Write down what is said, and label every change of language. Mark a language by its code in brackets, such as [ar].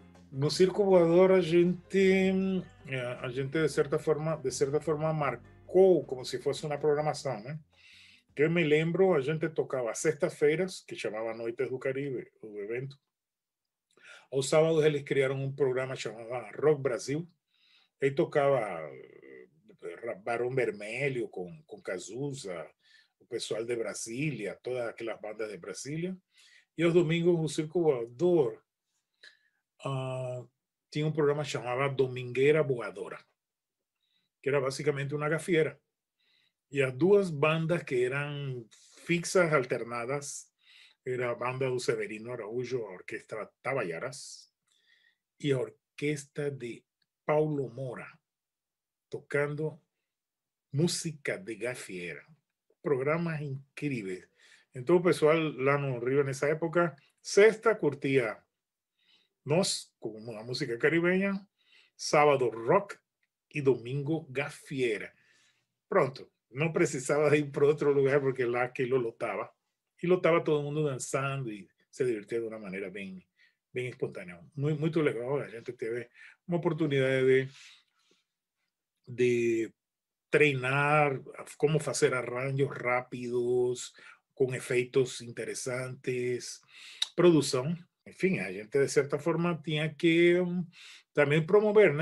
[es] No Circo Voador [pt] a gente [es] de cierta forma marcó como si fuese una programación, ¿no? [pt] Que me lembro, a gente tocaba sextas-feiras, [es] que llamaba [pt] Noites do Caribe, o evento. [es] Los sábados ellos crearon un programa llamado Rock Brasil. [pt] Aí tocava Barão Vermelho com Cazuza, o pessoal de Brasília, todas aquelas bandas de Brasília. E aos domingos, o Circo Voador tinha um programa chamado Domingueira Voadora, que era basicamente uma gafieira. E as duas bandas que eram fixas, alternadas, era a banda do Severino Araújo, a orquestra Tabaiaras, e a orquestra de Paulo Mora, tocando música de gafieira. Programas incríveis. Então, o pessoal lá no Rio, nessa época, sexta, curtia nós, com a música caribenha, sábado, rock, e domingo, gafieira. Pronto, não precisava ir para outro lugar, porque lá aquilo lotava. E lotava todo mundo dançando e se divertia de uma maneira bem... [es] bien espontáneo, muy, muy legal. La gente tiene una oportunidad de treinar cómo hacer arranjos rápidos, con efectos interesantes, producción. En fin, la gente de cierta forma tenía que también promover, ¿no?